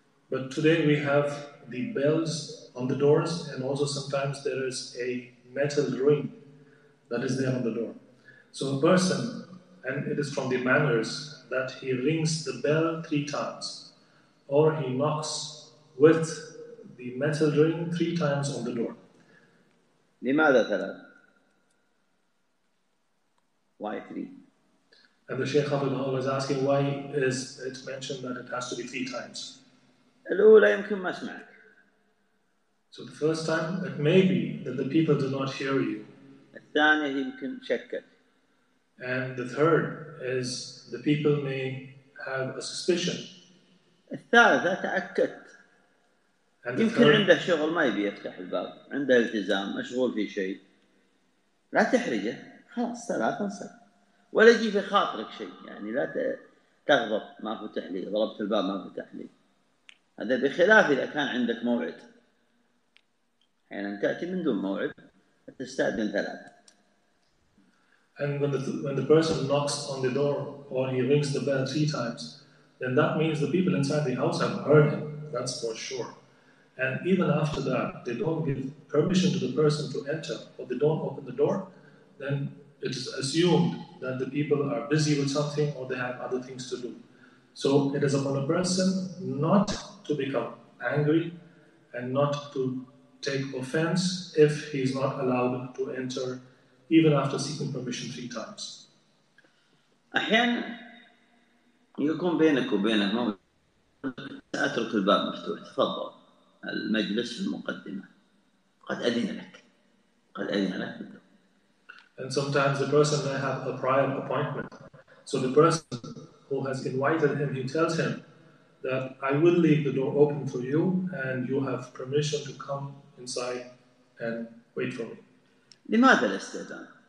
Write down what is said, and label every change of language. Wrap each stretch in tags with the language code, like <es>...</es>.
<en>But today we have the bells on the doors, and also sometimes there is a metal ring that is there on the door. So a person, and it is from the manners, that he rings the bell three times, or he knocks with the metal ring three times on the door.</en> <ar>لماذا ثلاث؟</ar> <en>Why three? And the Shaykh Hafidhullah was asking, why is it mentioned that it has to be three times?</en> <ar>الأولى يمكن ما أسمعك.</ar> <en>So the first time, it may be that the people do not hear you.</en> <ar>الثانية يمكن شكك.</ar> <en>And the third is the people may have a suspicion.</en> <ar>الثالثة تأكد. يمكن</ar> <en>third,</en> <ar>عنده شغل ما يبي يفتح الباب، عنده التزام مشغول في شيء، لا تحرجه، خلاص ثلاثة صار، ولا يجي في خاطرك شيء، يعني لا تغضب ما فتح لي، ضربت الباب ما فتح لي. هذا بخلاف إذا كان عندك موعد، أحيانا يعني تأتي من دون موعد تستأذن ثلاثة.</ar> <en>And when the person knocks on the door or he rings the bell three times, then that means the people inside the house have heard him, that's for sure. And even after that, they don't give permission to the person to enter or they don't open the door, then it is assumed that the people are busy with something or they have other things to do. So it is upon a person not to become angry and not to take offense if he is not allowed to enter even after seeking permission three times.</en> <ar>أحيانا يكون بينك وبينه موقف، أترك الباب مفتوح، تفضل المجلس المقدمة، قد أذن لك، قد أذن لك.</ar> <en>And sometimes the person may have a prior appointment, so the person who has invited him, he tells him that I will leave the door open for you and you have permission to come inside and wait for me.</en> <ar>لماذا الاستئذان؟</ar>